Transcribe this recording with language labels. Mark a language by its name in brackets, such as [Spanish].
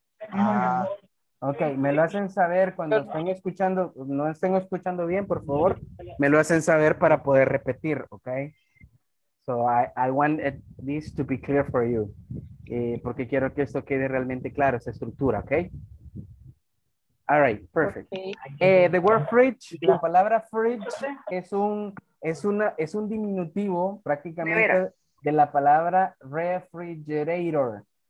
[Spanish] Ah, ok, me lo hacen saber cuando estén escuchando, no estén escuchando bien, por favor, me lo hacen saber para poder repetir, ok. [English] So I want this to be clear for you. [Spanish] Porque quiero que esto quede realmente claro, esa estructura, ok. [English] All right, perfect. Okay. The word fridge, [Spanish] la palabra fridge es un es un diminutivo prácticamente de la palabra refrigerator.